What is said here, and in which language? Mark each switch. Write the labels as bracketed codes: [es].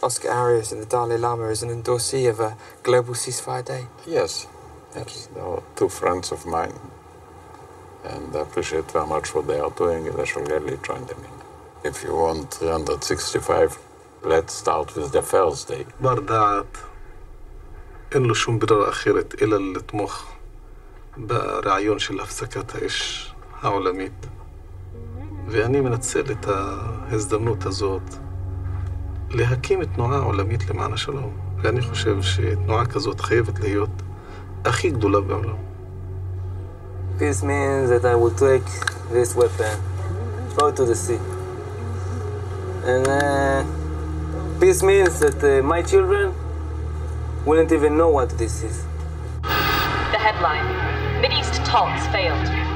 [en] Oscar Arias and the Dalai Lama as an endorsee of a global ceasefire day? Yes. They are two friends of mine, and I appreciate very much what they are doing, and I shall gladly join them in. If you want 365, let's start with the first day. [he] בר דעת, אין לו שום ברירה אחרת אלא לתמוך ברעיון של הפסקת האש העולמית. ואני מנצל את ההזדמנות הזאת להקים תנועה עולמית למען השלום. ואני חושב שתנועה כזאת חייבת להיות הכי גדולה בעולם. [en] Peace means that I will take this weapon, throw it to the sea. And peace means that my children wouldn't even know what this is. The headline, Mideast talks failed.